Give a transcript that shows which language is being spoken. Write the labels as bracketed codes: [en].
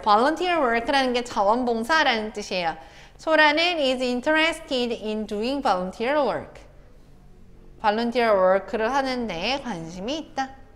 [ko] volunteer work라는 게 자원봉사라는 뜻이에요. [en] 소라는 is interested in doing volunteer work. [ko] volunteer work를 하는 데 관심이 있다.